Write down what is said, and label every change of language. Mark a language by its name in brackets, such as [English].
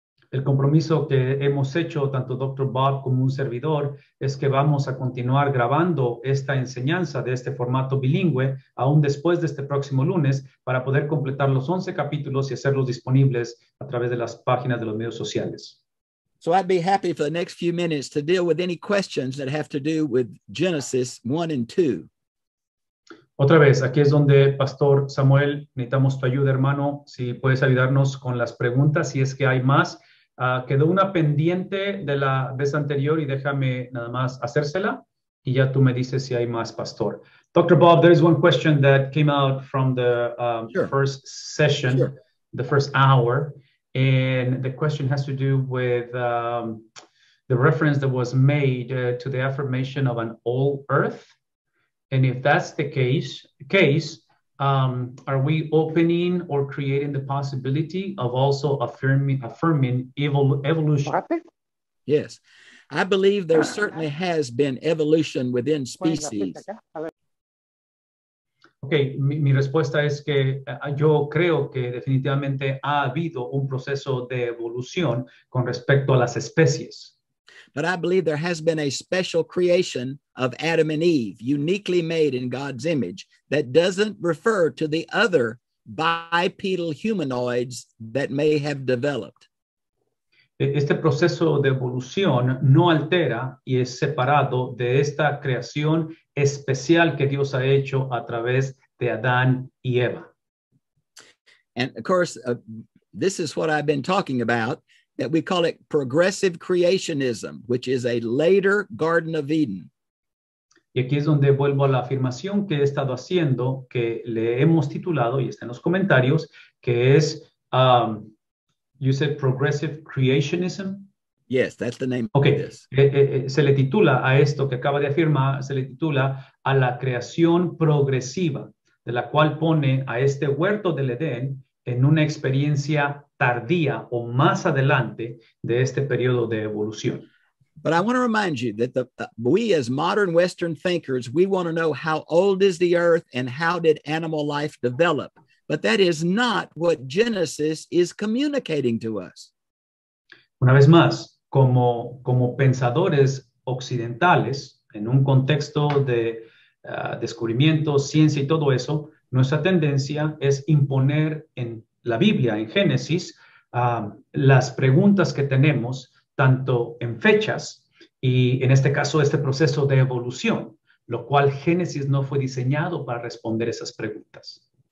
[Spanish] El compromiso que hemos hecho, tanto Dr. Bob como un servidor, es que vamos a continuar grabando esta enseñanza de este formato bilingüe, aún después de este próximo lunes, para poder completar los 11 capítulos y hacerlos disponibles a través de las páginas de los medios sociales. [English] So I'd be happy for the next few minutes to deal with any questions that have to do with Genesis 1 and 2. [Spanish] Otra vez, aquí es donde, Pastor Samuel, necesitamos tu ayuda, hermano, si puedes ayudarnos con las preguntas, si es que hay más. Quedó una pendiente de la vez anterior y déjame nada más hacérsela y ya tú me dices si hay más, Pastor. [English] Dr. Bob, there is one question that came out from the Sure. first session, the first hour, and the question has to do with the reference that was made to the affirmation of an old earth. And if that's the case, are we opening or creating the possibility of also affirming evolution? Yes, I believe there certainly has been evolution within species. [Spanish] Okay, mi respuesta es que yo creo que definitivamente ha habido un proceso de evolución con respecto a las especies. [English] But I believe there has been a special creation of Adam and Eve, uniquely made in God's image, that doesn't refer to the other bipedal humanoids that may have developed. [Spanish] Este proceso de evolución no altera y es separado de esta creación especial que Dios ha hecho a través de Adán y Eva. [English] And of course, this is what I've been talking about. That we call it progressive creationism, which is a later Garden of Eden. [Spanish] Y aquí es donde vuelvo a la afirmación que he estado haciendo, que le hemos titulado y está en los comentarios, que es [English] You said progressive creationism. Yes, that's the name Ok, of this. [Spanish] se le titula a esto que acaba de afirmar, se le titula a la creación progresiva, de la cual pone a este huerto del Edén en una experiencia tardía o más adelante de este periodo de evolución. [English] But I want to remind you that we as modern Western thinkers, we want to know how old is the earth and how did animal life develop? But that is not what Genesis is communicating to us. [Spanish] Una vez más, como pensadores occidentales, en un contexto de descubrimiento, ciencia y todo eso, nuestra tendencia es imponer en la Biblia, en Génesis, las preguntas que tenemos, tanto en fechas y en este caso, este proceso de evolución, lo cual Génesis no fue diseñado para responder esas preguntas.